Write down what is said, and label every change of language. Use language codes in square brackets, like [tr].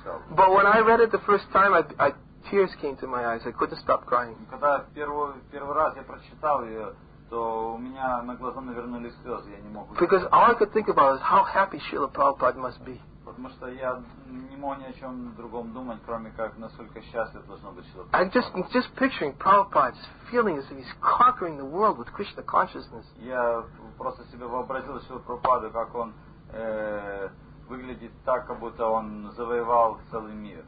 [en] But when I read it the first time, I tears came to my eyes. I couldn't stop crying. Because all I could think about is how happy Srila Prabhupada must be. [ru] Потому что я не мог ни о чем другом думать, кроме как насколько счастлив должно быть человек. [en] I'm just picturing Prabhupada's feeling as if he's conquering the world with Krishna consciousness. [ru] Я просто себе вообразил Шрила Прабхупаду, как он выглядит так, как будто он завоевал целый мир.